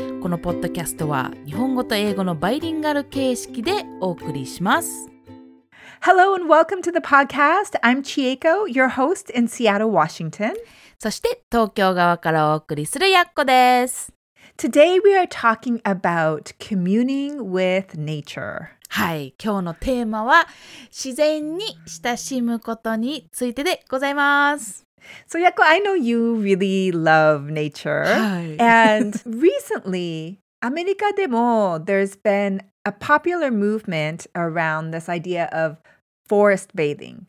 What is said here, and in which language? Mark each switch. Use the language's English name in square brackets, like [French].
[Japanese] このポッドキャストは日本語と英語のバイリンガル形式でお送りします。 [English] Hello and welcome to the podcast. I'm Chieko, your host in Seattle, Washington. [Japanese] そして東京側からお送りするやっこです。 [English] Today we are talking about communing with nature. [Japanese] はい、今日のテーマは自然に親しむことについてでございます。 [English] So Yakko, I know you really love nature. [Japanese] はい。 [English] And recently, [Japanese] アメリカでも [English] there's been a popular movement around this idea of forest bathing.